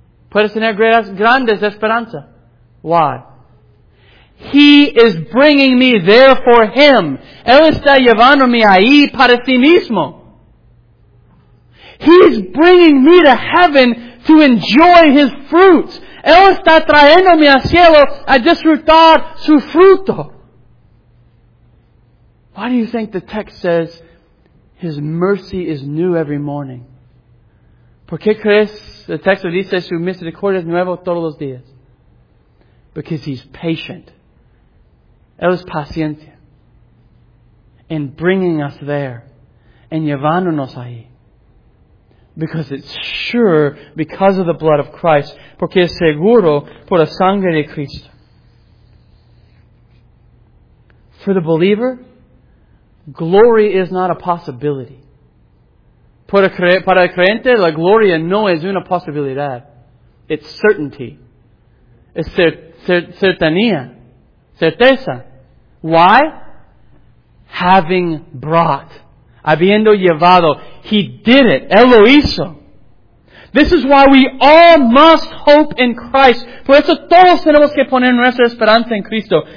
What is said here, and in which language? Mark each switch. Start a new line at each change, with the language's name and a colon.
Spanish: Puedes tener grandes esperanza.
English: Why? He is bringing me there for Him.
Spanish: Él está llevándome ahí para sí mismo.
English: He's bringing me to heaven to enjoy His fruits.
Spanish: Él está trayéndome al cielo a disfrutar su fruto.
English: Why do you think the text says His mercy is new every morning?
Spanish: ¿Por qué crees el texto dice su misericordia es nuevo todos los días?
English: Because He's patient.
Spanish: Él es paciente
English: in bringing us there and
Spanish: llevándonos ahí.
English: Because it's sure because of the blood of Christ.
Spanish: Porque es seguro por la sangre de Cristo.
English: For the believer, glory is not a possibility.
Spanish: Para el creyente, la gloria no es una posibilidad.
English: It's certainty.
Spanish: Es certanía. Certeza.
English: Why? Having brought.
Spanish: Habiendo llevado.
English: He did it.
Spanish: Él lo hizo.
English: This is why we all must hope in Christ.
Spanish: Por eso todos tenemos que poner nuestra esperanza en Cristo.